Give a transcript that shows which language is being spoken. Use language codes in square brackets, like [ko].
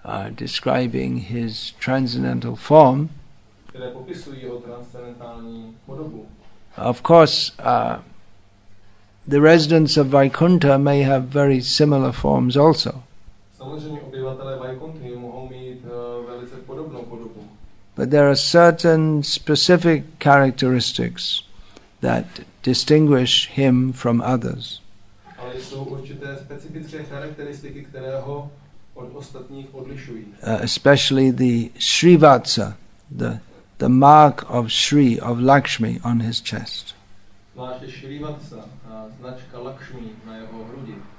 [en] Describing his transcendental form. [cs] Které popisují jeho transcendentální podobu. [en] Of course, the residents of Vaikuntha may have very similar forms also. [cs] Samozřejmě obyvatelé Vaikunthy mohou mít velice podobnou podobu. [en] But there are certain specific characteristics that distinguish him from others. [cs] Ale jsou určité specifické charakteristiky, které ho od ostatních odlišují. [en] Especially the Srivatsa, the mark of Sri, of Lakshmi on his chest. [cs] Zvláště Srivatsa, značka Lakshmi na jeho hrudi.